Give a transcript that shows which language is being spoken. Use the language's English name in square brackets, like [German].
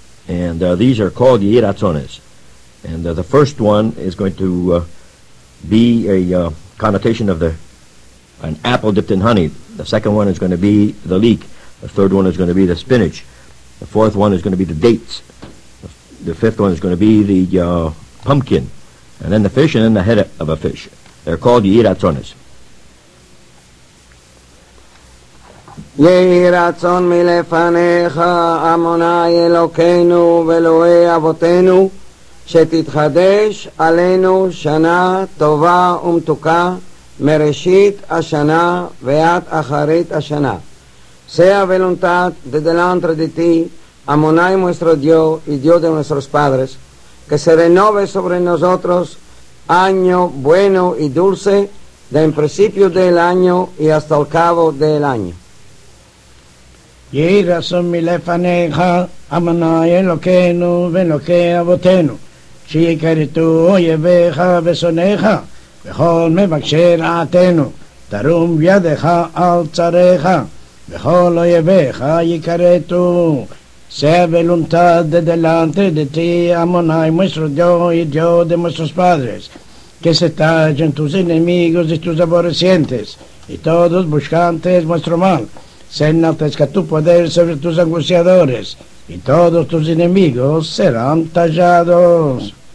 [English] And these are called Yiratzones. And the first one is going to be a connotation of an apple dipped in honey. The second one is going to be the leek. The third one is going to be the spinach. The fourth one is going to be the dates. The fifth one is going to be the pumpkin. And then the fish, and then the head of a fish. They're called Yiratzones. [Hebrew] יהי רצון מלפניך, אמוני אלוקינו ואלוהי אבותינו, שתתחדש עלינו שנה טובה ומתוקה מראשית השנה ועד אחרית השנה. [Ladino] Sea voluntad de delante de ti, אמוני nuestro Dios y Dios de nuestros padres, que se renove sobre nosotros año bueno y dulce, de en principio del año y hasta el cabo del año. [Hebrew] יהי רצון מלפניך, אמוני אלוקינו ואלוקי אבותינו, שיכרתו אויביך ושונאיך, וכל מבקשי רעתנו, תרום ידך על צריך, וכל אויביך יכרתו. [Ladino] Sea voluntad de delante de ti, אמוני nuestro Dios y Dios de nuestros padres, que se tallen tus enemigos y tus aborrecientes, y todos buscantes vuestro mal. Se enaltezca tu poder sobre tus angustiadores, y todos tus enemigos serán tallados.